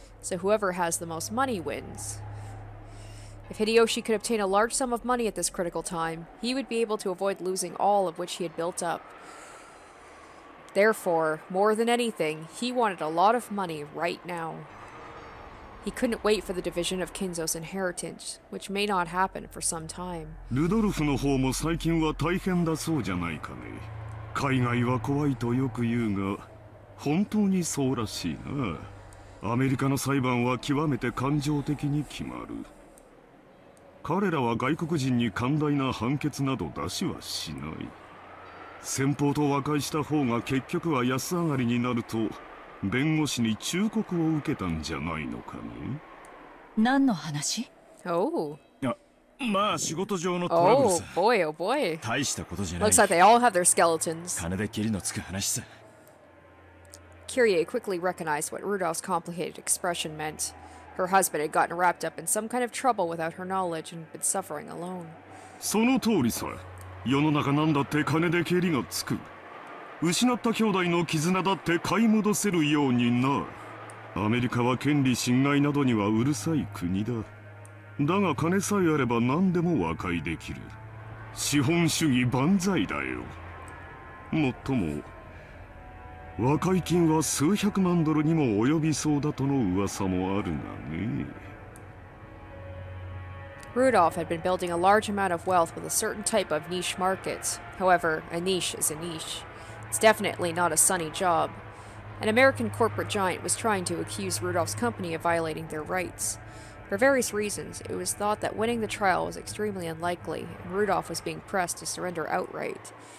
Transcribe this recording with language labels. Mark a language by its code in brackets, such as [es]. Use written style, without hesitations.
[en] So whoever has the most money wins. If Hideyoshi could obtain a large sum of money at this critical time, he would be able to avoid losing all of which he had built up. Therefore, more than anything, he wanted a lot of money right now. He couldn't wait for the division of Kinzo's inheritance, which may not happen for some time. [ja] ルドルフの方も最近は大変だそうじゃないかね。海外は怖いとよく言うが、本当にそうらしいな。アメリカの裁判は極めて感情的に決まる。彼らは外国人に寛大な判決など出しはしない。先方と和解した方が結局は安上がりになると弁護士に忠告を受けたんじゃないのかね。何の話？まあ仕事上のトラブルさ。 [en] Oh boy. [ja] 大したことじゃない。 [en] Looks like they all have their skeletons. [ja] 金でキリのつく話さ。 [en] Kyrie quickly recognized what Rudolph's complicated expression meant. Her husband had gotten wrapped up in some kind of trouble without her knowledge and been suffering alone. [ja] その通りさ。世の中なんだって金でキリがつく。失った兄弟の絆だって買い戻せるようにな。アメリカは権利侵害などにはうるさい国だ。だが金さえあれば何でも和解できる。資本主義万歳だよ。もっとも、和解金は数百万ドルにも及びそうだとの噂もあるがね。 [en] Rudolph had been building a large amount of wealth with a certain type of niche market. However, a niche is a niche. It's definitely not a sunny job. An American corporate giant was trying to accuse Rudolph's company of violating their rights. For various reasons, it was thought that winning the trial was extremely unlikely, and Rudolph was being pressed to surrender outright.